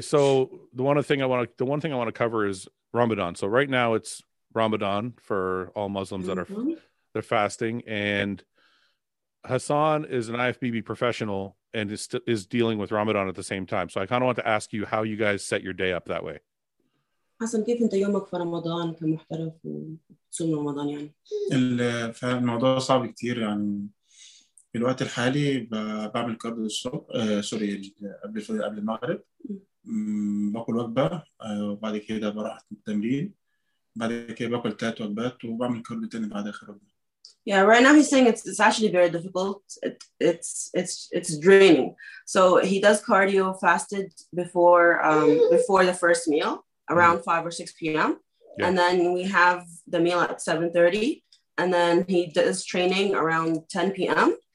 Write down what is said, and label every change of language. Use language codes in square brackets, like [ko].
[en] So the one thing I want to cover is Ramadan. So right now it's Ramadan for all Muslims that are, they're fasting, and Hassan is an IFBB professional and is dealing with Ramadan at the same time. So I kind of want to ask you how you guys set your day up that way. [ar] حسن كيف انت يومك في رمضان كمحترف وصوم رمضان يعني؟ الموضوع صعب كتير يعني في الوقت الحالي بعمل كارديو الصبح سوري قبل المغرب باكل وجبة وبعد كده بروح التمرين بعد كده باكل 3 وجبات وبعمل كارديو تاني بعد اخر وجبة. [en] Yeah, right now he's saying it's actually very difficult. It's draining. So he does cardio fasted before the first meal around 5 or 6 p.m. Yeah. And then we have the meal at 7:30. And then he does training around 10 p.m.